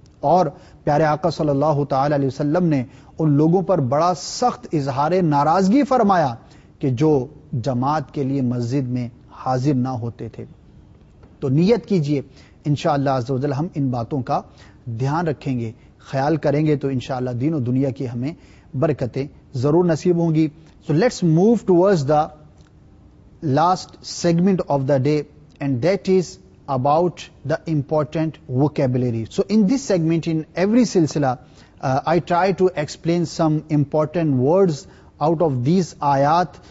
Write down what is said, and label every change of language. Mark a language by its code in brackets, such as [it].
[ur] اور پیارے آقا صلی اللہ تعالی علیہ وسلم نے ان لوگوں پر بڑا سخت اظہار ناراضگی فرمایا کہ جو جماعت کے لیے مسجد میں حاضر نہ ہوتے تھے. تو نیت کیجئے انشاءاللہ عزوجل ہم ان باتوں کا دھیان رکھیں گے, خیال کریں گے, تو انشاءاللہ دین و دنیا کی ہمیں برکتیں ضرور نصیب ہوں گی. [en] So let's move towards the last segment of the day and that is about the important vocabulary. So in this segment in every سلسلہ I try to explain some important words out of these آیات.